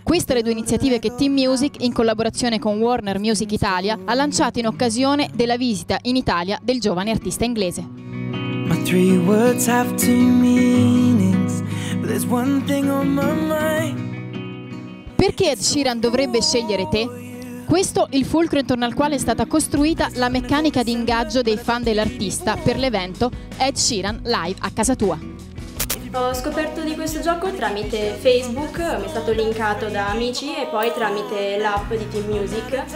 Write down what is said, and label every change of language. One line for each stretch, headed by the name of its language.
Italian: Queste le due iniziative che Team Music, in collaborazione con Warner Music Italia, ha lanciato in occasione della visita in Italia del giovane artista inglese.
English: My three words have two meanings, but there's one thing on my mind.
Italian: Perché Ed Sheeran dovrebbe scegliere te? Questo il fulcro intorno al quale è stata costruita la meccanica di ingaggio dei fan dell'artista per l'evento Ed Sheeran Live a casa tua. Ho scoperto di questo gioco tramite Facebook, mi è stato linkato da amici e poi tramite l'app di Team Music.